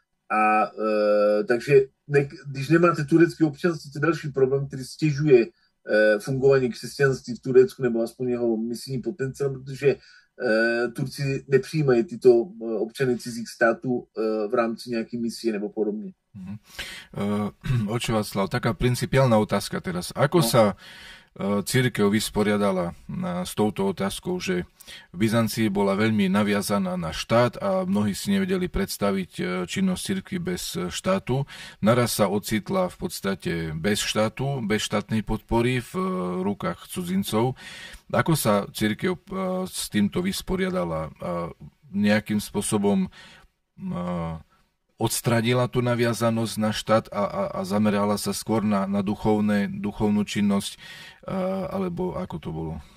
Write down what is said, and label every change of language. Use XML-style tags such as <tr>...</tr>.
<cs>A takže když nemáte turecké občanství, to je další problém, který stěžuje fungování křesťanství v Turecku nebo aspoň jeho misijní potenciál, protože Turci nepřijímají tyto občany cizích států v rámci nějaké misie nebo podobně.</cs> <sk>Oče Václav, taká principiálna otázka teraz. Ako sa církev vysporiadala s touto otázkou, že v Byzancii bola veľmi naviazaná na štát a mnohí si nevedeli predstaviť činnosť cirkvi bez štátu. Naraz sa ocitla v podstate bez štátu, bez štátnej podpory v rukách cudzincov. Ako sa církev s týmto vysporiadala? Nejakým spôsobom odstradila tú naviazanosť na štát a zamerala sa skôr na duchovnú činnosť, alebo ako to bolo?</sk>